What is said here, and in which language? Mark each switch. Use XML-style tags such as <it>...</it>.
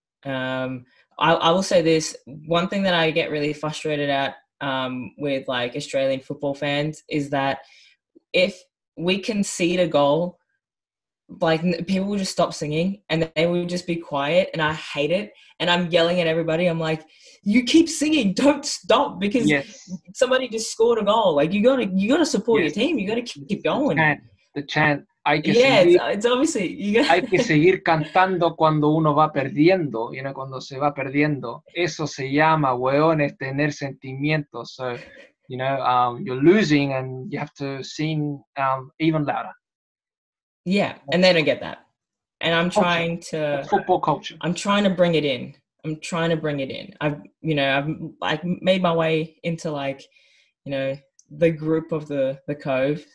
<en>I will say this. One thing that I get really frustrated at with like Australian football fans is that if we concede a goal, like people will just stop singing and they will just be quiet, and I hate it. And I'm yelling at everybody. I'm like, you keep singing, don't stop, because yes, somebody just scored a goal. Like you gotta support yes, your team. You gotta keep going. The chant.</en> <es>Hay que seguir, hay que seguir cantando cuando uno va perdiendo, you know, cuando se va perdiendo. Eso se llama, weón, es tener sentimientos.</es> <en>So, you know, you're losing and you have to sing even louder. Yeah, and they don't get that. And I'm trying to... Football culture. I'm trying to bring it in. I've made my way into, like, you know, the group of the Cove.</en>